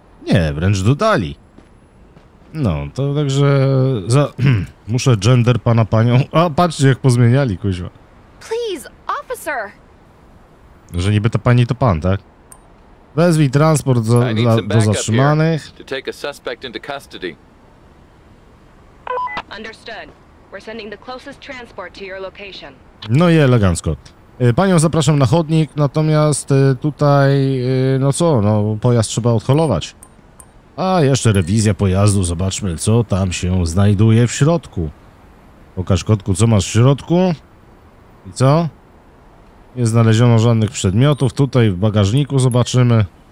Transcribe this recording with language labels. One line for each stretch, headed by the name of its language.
Polish: Nie, wręcz dodali. No, to także za... muszę gender pana panią... A, patrzcie, jak pozmieniali, kuźwa.
English: Please, officer.
Polish: Że niby ta pani to pan, tak? Wezwij transport do zatrzymanych.
English: To take a suspect into custody. Understood. We're sending the closest transport to your location.
Polish: No i elegancko. Panią zapraszam na chodnik, natomiast tutaj, no co, no pojazd trzeba odholować. A jeszcze rewizja pojazdu, zobaczmy co tam się znajduje w środku. Pokaż kotku, co masz w środku. I co? Nie znaleziono żadnych przedmiotów, tutaj w bagażniku zobaczymy.